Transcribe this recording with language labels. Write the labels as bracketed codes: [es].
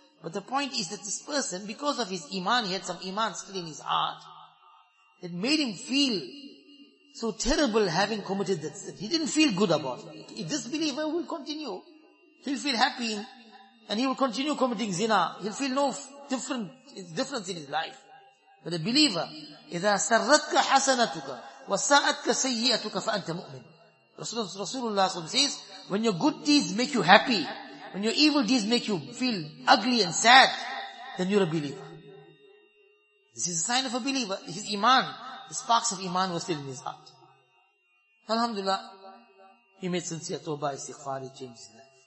[en] But the point is that this person, because of his iman, he had some iman still in his heart. It made him feel so terrible having committed that sin. He didn't feel good about it. A disbeliever will continue. He'll feel happy and he will continue committing zina. He'll feel no difference in his life. But a believer, [ar] إِذَا سَرَّتْكَ حَسَنَتُكَ وَسَأَتْكَ سَيِّئَتُكَ فَأَنْتَ مُؤْمِنٍ. [en] Rasulullah says, when your good deeds make you happy, when your evil deeds make you feel ugly and sad, then you're a believer. This is a sign of a believer. His iman, the sparks of iman were still in his heart. Alhamdulillah, he made sincere tawbah, istighfar, he changed his life.